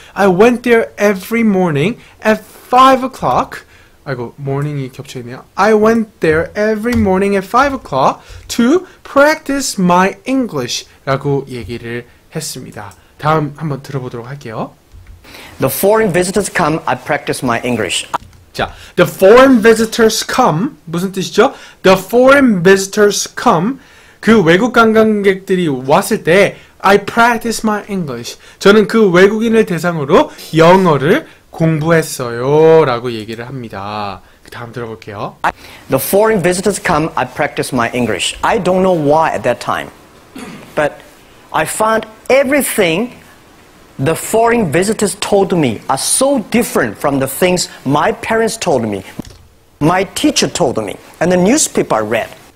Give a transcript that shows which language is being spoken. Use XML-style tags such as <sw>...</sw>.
<en>I went there every morning at 5 o'clock.</en> <ko>아이고, morning이 겹쳐있네요.</ko> <en>I went there every morning at 5 o'clock to practice my English.</en> <ko>라고 얘기를 했습니다. 다음 한번 들어보도록 할게요.</ko> <en>The foreign visitors come, I practice my English. 자, the foreign visitors come,</en> <ko>무슨 뜻이죠?</ko> <en>The foreign visitors come,</en> <ko>그 외국 관광객들이 왔을 때,</ko> <en>I practice my English.</en> <ko>저는 그 외국인을 대상으로 영어를 공부했어요. 라고 얘기를 합니다. 다음 들어볼게요.</ko> <en>The foreign visitors come, I practice my English. I don't know why at that time, but I found everything the foreign visitors told me are so different from the things my parents told me, my teacher told me, and the newspaper I read.</en>